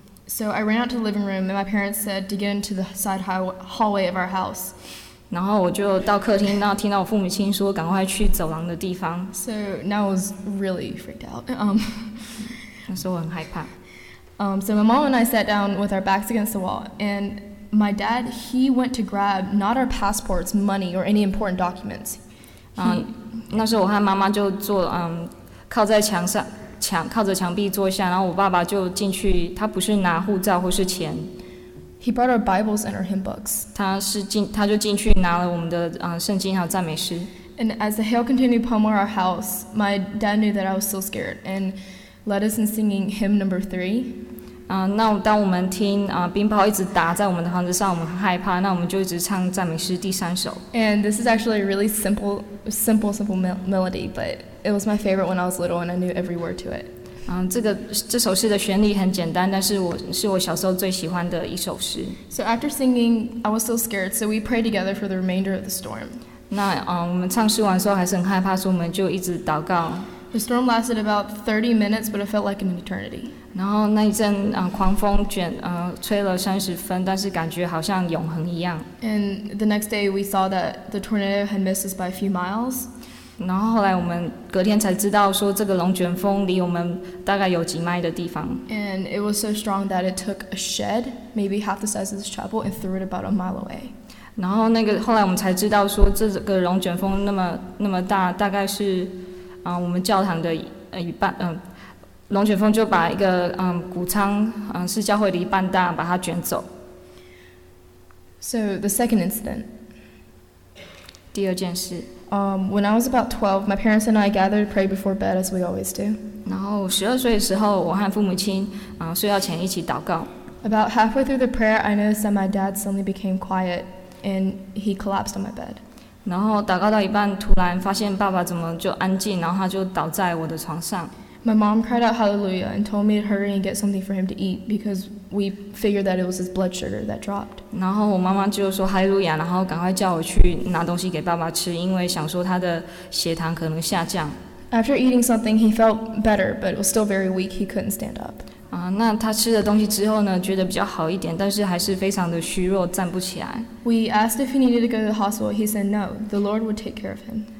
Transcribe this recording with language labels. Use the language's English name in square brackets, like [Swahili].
[English] So I ran out to the living room, and my parents said to get into the side hallway of our house. [Chinese] 然后我就到客厅，然后听到我父母亲说赶快去走廊的地方。 [English] So now I was really freaked out. [Chinese] 那时候我很害怕。 [English] So my mom and I sat down with our backs against the wall, and. My dad, he went to grab not our passports, money, or any important documents. [Chinese] 那时候我和妈妈就坐靠在墙上，靠着墙壁坐下，然后我爸爸就进去，他不是拿护照或是钱。 [English] He brought our Bibles and our hymn books. [Chinese] 他就进去拿了我们的圣经还有赞美诗。 [English] And as the hail continued pummeling our house, my dad knew that I was still scared and led us in singing hymn number 3. [Chinese] 那当我们听冰雹一直打在我们的房子上，我们很害怕，那我们就一直唱赞美诗第三首。 [English] And this is actually a really simple melody, but it was my favorite when I was little and I knew every word to it. [Chinese] 这首诗的旋律很简单，但是我小时候最喜欢的一首诗。 [English] So after singing, I was still scared, so we prayed together for the remainder of the storm. [Chinese] 那我们唱诗完之后还是很害怕，所以我们就一直祷告。 [English] The storm lasted about 30 minutes, but it felt like an eternity. [Chinese] 然后那一阵狂风卷吹了30分，但是感觉好像永恒一样。 [English] And the next day we saw that the tornado had missed us by a few miles. [Chinese] 然后后来我们隔天才知道说这个龙卷风离我们大概有几迈的地方。 [English] And it was so strong that it took a shed, maybe half the size of this chapel, and threw it about a mile away. [Chinese] 然后后来我们才知道说这个龙卷风那么大，大概是我们教堂的一半龙卷风就把一个谷仓是教会的一半大，把它卷走。 [English] So the second incident. [Chinese] 第二件事。 [English] When I was about 12, my parents and I gathered to pray before bed as we always do. [Chinese] 然后12岁的时候，我和父母亲睡觉前一起祷告。 [English] About halfway through the prayer, I noticed that my dad suddenly became quiet and he collapsed on my bed. [Chinese] 然后祷告到一半，突然发现爸爸怎么就安静，然后他就倒在我的床上。 [English] My mom cried out hallelujah and told me to hurry and get something for him to eat because we figured that it was his blood sugar that dropped. [Chinese] 然后我妈妈就说 hallelujah， 然后赶快叫我去拿东西给爸爸吃，因为想说他的血糖可能下降。 [English] After eating something, he felt better, but was still very weak. He couldn't stand up. [Chinese] 那他吃了东西之后呢，觉得比较好一点，但是还是非常的虚弱，站不起来。 [English] We asked if he needed to go to the hospital. He said no. The Lord would take care of him.